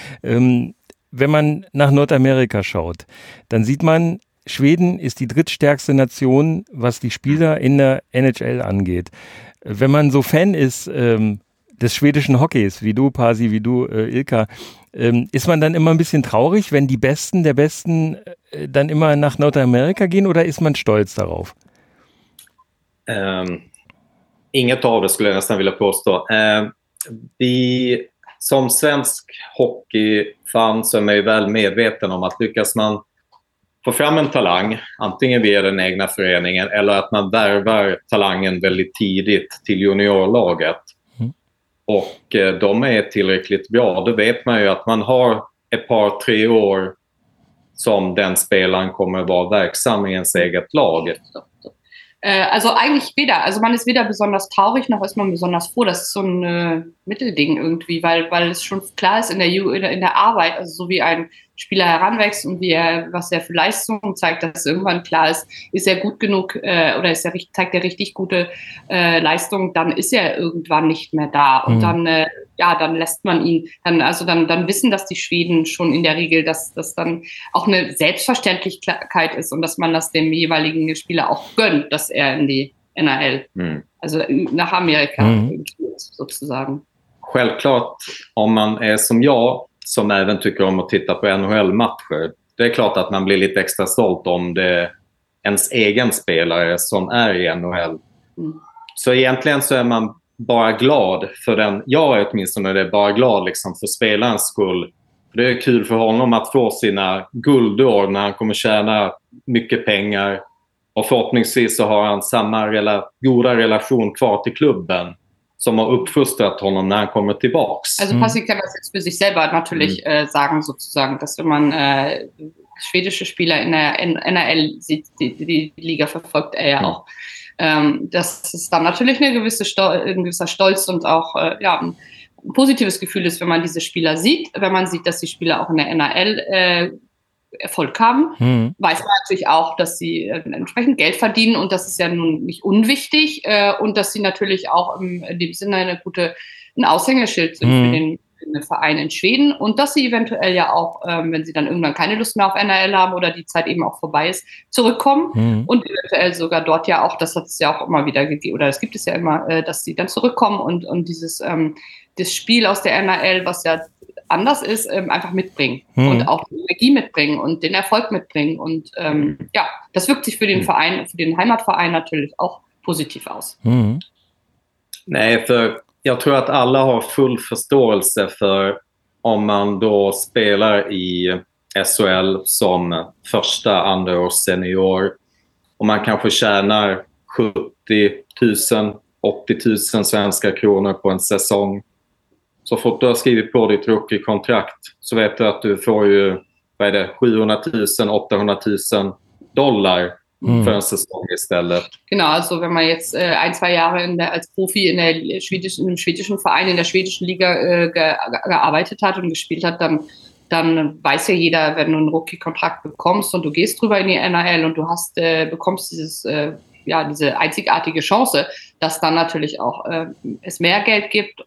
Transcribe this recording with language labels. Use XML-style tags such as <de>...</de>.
<de>Wenn man nach Nordamerika schaut, dann sieht man, Schweden ist die drittstärkste Nation, was die Spieler in der NHL angeht. Wenn man so Fan ist des schwedischen Hockeys, wie du, Pasi, wie du, Ilka, ist man dann immer ein bisschen traurig, wenn die Besten der Besten dann immer nach Nordamerika gehen oder ist man stolz darauf?</de> <sv>Inget av det skulle jag nästan vilja påstå. Vi som svensk hockeyfan så är man ju väl medveten om att lyckas man få fram en talang, antingen via den egna föreningen eller att man värvar talangen väldigt tidigt till juniorlaget och de är tillräckligt bra, då vet man ju att man har ett par, tre år som den spelaren kommer vara verksam i ens eget lag.</sv> <de>Also eigentlich weder. Also man ist weder besonders traurig, noch ist man besonders froh. Das ist so ein Mittelding irgendwie, weil es schon klar ist in der Arbeit, also so wie ein Spieler heranwächst und wie er, was er für Leistungen zeigt, dass irgendwann klar ist, ist er gut genug oder zeigt er richtig gute Leistung, dann ist er irgendwann nicht mehr da. Und dann lässt man ihn, dann wissen das die Schweden schon in der Regel, dass das dann auch eine Selbstverständlichkeit ist und dass man das dem jeweiligen Spieler auch gönnt, dass er in die NHL, also nach Amerika sozusagen.</de> <sv>Självklart, om man är som jag, som även tycker om att titta på NHL-matcher, det är klart att man blir lite extra stolt om det ens egen spelare som är i NHL. Så egentligen så är man bara glad för den, jag är åtminstone det, bara glad liksom för spelarens skull. Det är kul för honom att få sina guldår när han kommer tjäna mycket pengar och förhoppningsvis så har han samma goda relation kvar till klubben som har uppfostrat honom när han kommer tillbaks.</sv> <de>Also Passi kann das jetzt für sich selber natürlich sagen sozusagen, dass wenn man schwedische Spieler in der NHL sieht, die Liga verfolgt, er ja auch. Das ist dann natürlich ein gewisser Stolz und auch ein positives Gefühl ist, wenn man diese Spieler sieht, wenn man sieht, dass die Spieler auch in der NHL Erfolg haben, weiß man natürlich auch, dass sie entsprechend Geld verdienen und das ist ja nun nicht unwichtig und dass sie natürlich auch in dem Sinne ein Aushängeschild sind für den Verein in Schweden und dass sie eventuell ja auch, wenn sie dann irgendwann keine Lust mehr auf NHL haben oder die Zeit eben auch vorbei ist, zurückkommen und eventuell sogar dort ja auch, das hat es ja auch immer wieder gegeben oder es gibt es ja immer, dass sie dann zurückkommen und dieses das Spiel aus der NHL, was ja anders ist, einfach mitbringen und auch die Energie mitbringen und den Erfolg mitbringen. Und ja, das wirkt sich für den Verein, für den Heimatverein natürlich auch positiv aus. Nee, für,</de> <sv>jag tror att alla har full förståelse för om man då spelar i SHL som första, andra års senior och man kanske tjänar 70 000, 80 000 svenska kronor på en säsong. Så fort du har skrivit på ditt rookie-kontrakt så vet du att du får ju, vad är det, 700 000, 800 000 dollar för en säsong istället.</sv> <de>Genau, also wenn man jetzt ein, zwei Jahre in der, als Profi in der schwedischen, in einem schwedischen Verein, in der schwedischen Liga gearbeitet hat und gespielt hat, dann weiß ja jeder, wenn du einen Rookie-Kontrakt bekommst und du gehst drüber in die NHL und du hast, bekommst dieses, ja, diese einzigartige Chance, dass dann natürlich auch es mehr Geld gibt.</de>